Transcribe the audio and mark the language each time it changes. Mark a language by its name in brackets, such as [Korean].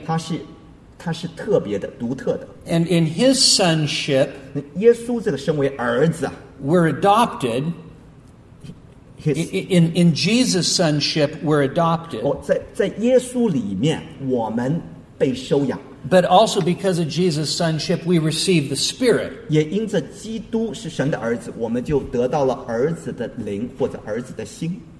[Chinese] 他是特别的,独特的。 [English] And in his sonship, [Chinese] 耶稣这个身为儿子, [English] we're adopted. In Jesus' sonship, we're adopted. [Chinese] 在耶稣里面,我们被收养。 [English] But also because of Jesus' sonship, we receive the Spirit. [Chinese] 也因着基督是神的儿子, 我们就得到了儿子的灵或者儿子的心。